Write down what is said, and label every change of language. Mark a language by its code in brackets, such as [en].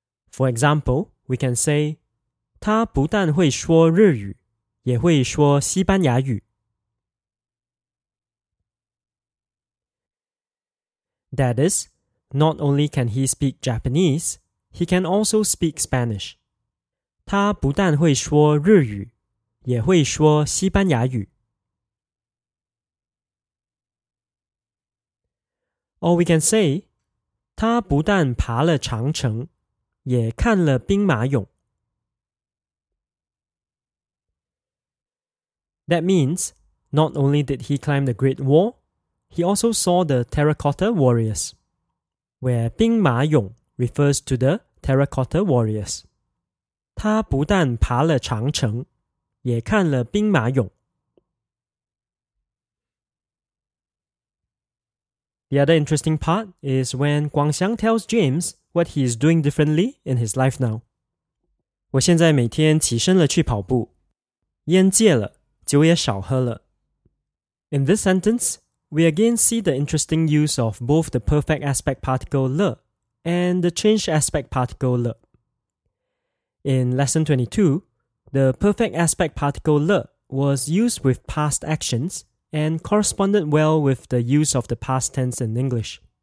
[en] For example, we can say, [zh] 他不但会说日语,也会说西班牙语。 [en] That is, not only can he speak Japanese, he can also speak Spanish. [zh] 他不但会说日语,也会说西班牙语。 [en] Or we can say, [zh] 他不但爬了长城,也看了兵马俑。 [en] That means, not only did he climb the Great Wall, he also saw the Terracotta Warriors, where 兵马俑 refers to the Terracotta Warriors. [zh] 他不但爬了长城,也看了兵马俑。 [en] The other interesting part is when Guangxiang tells James what he is doing differently in his life now. [zh] 我现在每天起身了去跑步,烟戒了。酒也少喝了。 [en] In this sentence, we again see the interesting use of both the perfect aspect particle 了 and the change aspect particle 了。 In lesson 22, the perfect aspect particle 了 was used with past actions and corresponded well with the use of the past tense in English.